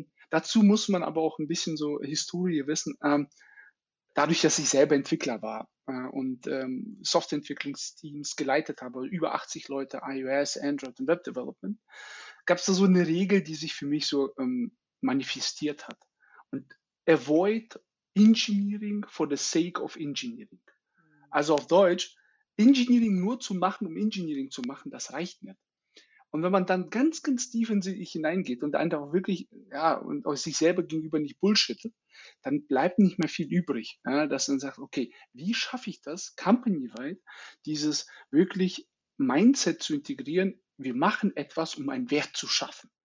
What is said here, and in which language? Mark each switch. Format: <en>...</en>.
<de>Dazu muss man aber auch ein bisschen so Historie wissen. Dadurch, dass ich selber Entwickler war und Softwareentwicklungsteams geleitet habe, über 80 Leute, iOS, Android und Web-Development, gab es da so eine Regel, die sich für mich so manifestiert hat.</de> <en>Und avoid engineering for the sake of engineering.</en> <de>Also auf Deutsch, Engineering nur zu machen, um Engineering zu machen, das reicht nicht. Und wenn man dann ganz, ganz tief in sich hineingeht und einfach wirklich, ja, und aus sich selber gegenüber nicht bullshittet, dann bleibt nicht mehr viel übrig, ja, dass man sagt, okay, wie schaffe ich das, company-weit, dieses wirklich Mindset zu integrieren, wir machen etwas, um einen Wert zu schaffen.</de>